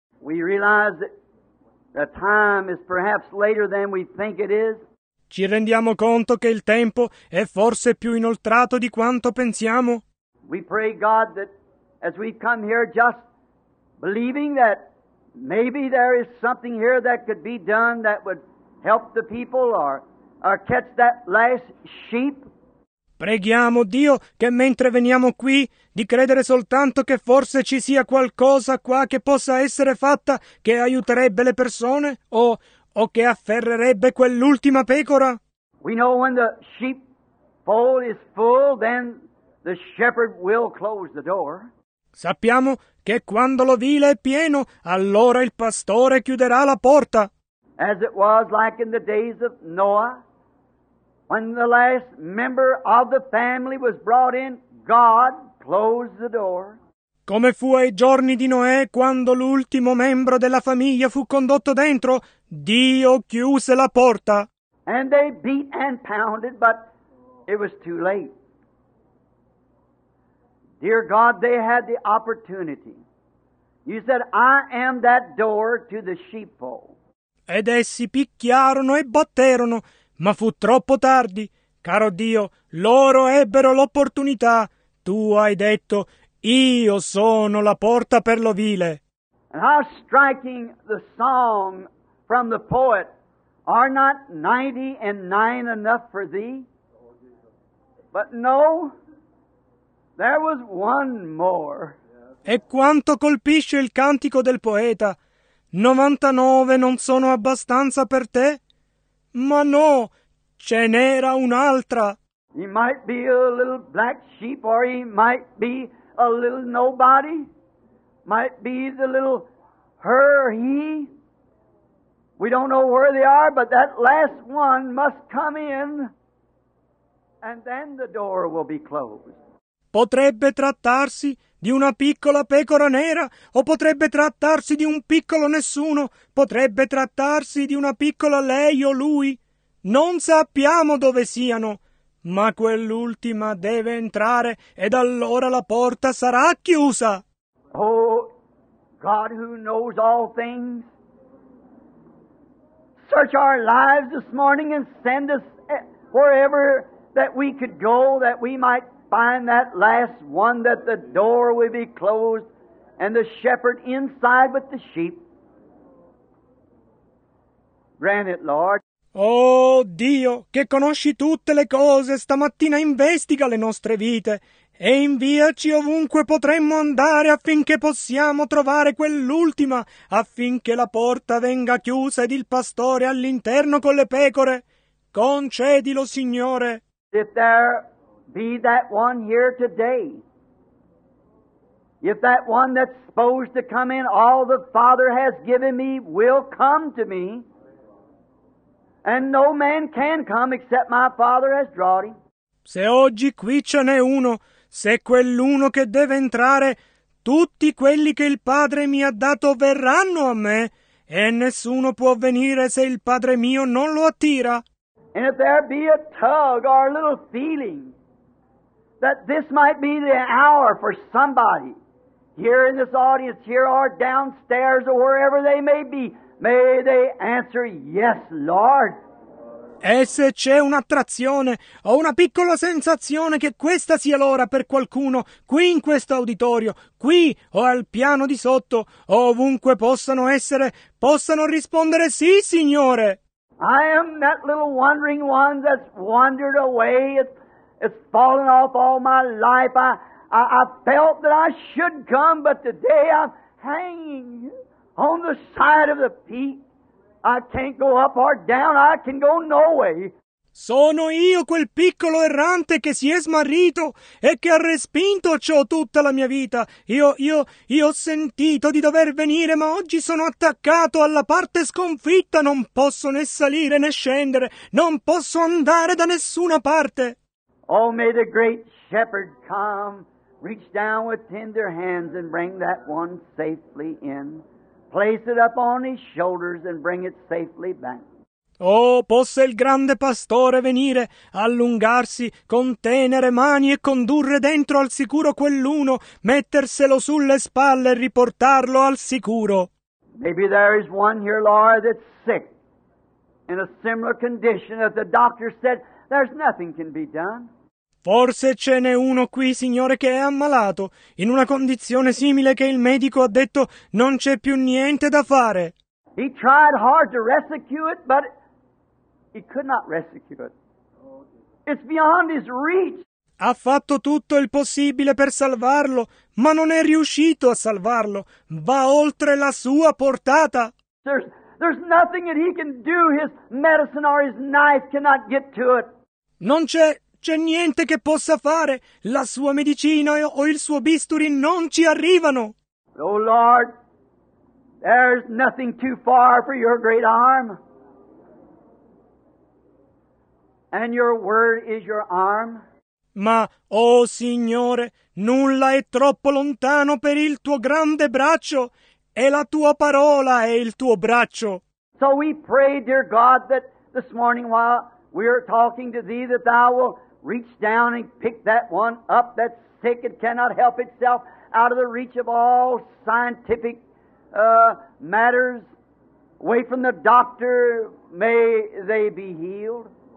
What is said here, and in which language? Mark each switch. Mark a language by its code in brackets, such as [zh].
[en] We realize that the time is perhaps later than we think it is. [it] Ci rendiamo conto che il tempo è forse più inoltrato di quanto pensiamo? [en] We pray God that as we come here just believing that maybe there is something here that could be done that would help the people or catch that last sheep. [it] Preghiamo Dio che mentre veniamo qui di credere soltanto che forse ci sia qualcosa qua che possa essere fatta che aiuterebbe le persone o che afferrerebbe quell'ultima pecora. [en] We know when the sheep fold is full, then the shepherd will close the door. [it] Sappiamo che quando l'ovile è pieno, allora il pastore chiuderà la porta. [en] As it was like in the days of Noah, when the last member of the family was brought in, God closed the door. [it] Come fu ai giorni di Noè, quando l'ultimo membro della famiglia fu condotto dentro, Dio chiuse la porta. [en] And they beat and pounded, but it was too late. Dear God, they had the opportunity. You said, I am that door to the sheepfold. [it] Ed essi picchiarono e batterono, ma fu troppo tardi. Caro Dio, loro ebbero l'opportunità. Tu hai detto, io sono la porta per l'ovile. [en] And how striking the song from the poet, are not 99 enough for thee? But no, there was one more. [it] E quanto colpisce il cantico del poeta, 99 non sono abbastanza per te? Ma no, ce n'era un'altra. [en] He might be a little black sheep, or he might be a little nobody, might be the little her or he. We don't know where they are, but that last one must come in, and then the door will be closed. [it] Potrebbe trattarsi di una piccola pecora nera, o potrebbe trattarsi di un piccolo nessuno, potrebbe trattarsi di una piccola lei o lui. Non sappiamo dove siano, ma quell'ultima deve entrare ed allora la porta sarà chiusa. Oh, [en] God who knows all things, search our lives this morning and send us wherever that we could go, that we might find that last one, that the door would be closed and the shepherd inside with the sheep. Grant it, Lord. [it] Oh Dio, che conosci tutte le cose, stamattina investiga le nostre vite e inviaci ovunque potremmo andare affinché possiamo trovare quell'ultima, affinché la porta venga chiusa ed il pastore all'interno con le pecore. Concedilo, Signore. [en] If there be that one here today, if that one that's supposed to come in, all the Father has given me will come to me, and no man can come except my Father has drawn him. [it] Se oggi qui ce n'è uno, se quell'uno che deve entrare, tutti quelli che il Padre mi ha dato verranno a me, e nessuno può venire se il Padre mio non lo attira. [en] And if there be a tug or a little feeling that this might be the hour for somebody here in this audience, here or downstairs or wherever they may be, may they answer, yes, Lord. [it] E se c'è un'attrazione o una piccola sensazione che questa sia l'ora per qualcuno qui in questo auditorio, qui o al piano di sotto, o ovunque possano essere, possano rispondere sì, Signore. [en] I am that little wandering one that's wandered away. It's fallen off all my life. I felt that I should come, but today I'm hanging on the side of the peak. I can't go up or down. I can go no way. [it] Sono io quel piccolo errante che si è smarrito e che ha respinto ciò tutta la mia vita. Io ho sentito di dover venire, ma oggi sono attaccato alla parte sconfitta. Non posso né salire né scendere. Non posso andare da nessuna parte. [en] Oh, may the great shepherd come, reach down with tender hands and bring that one safely in. Place it up on his shoulders and bring it safely back. [it] Oh, possa il grande pastore venire, allungarsi con tenere mani e condurre dentro al sicuro quell'uno, metterselo sulle spalle e riportarlo al sicuro. [en] Maybe there is one here, Laura, that's sick in a similar condition that the doctor said there's nothing can be done. [it] Forse ce n'è uno qui, Signore, che è ammalato, in una condizione simile che il medico ha detto non c'è più niente da fare. [en] He tried hard to rescue it, but he could not rescue it. It's beyond his reach. [it] Ha fatto tutto il possibile per salvarlo, ma non è riuscito a salvarlo. Va oltre la sua portata. [en] There's nothing that he can do. His medicine or his knife cannot get to it. [it] Non c'è... c'è niente che possa fare. La sua medicina o il suo bisturi non ci arrivano. [en] Oh Lord, there's nothing too far for your great arm. And your word is your arm. [it] Ma, oh Signore, nulla è troppo lontano per il tuo grande braccio. E la tua parola è il tuo braccio. [en] So we pray, dear God, that this morning while we are talking to thee, that thou will reach down and pick that one up that's sick and cannot help itself out of the reach of all scientific matters, away from the doctor, may they be healed.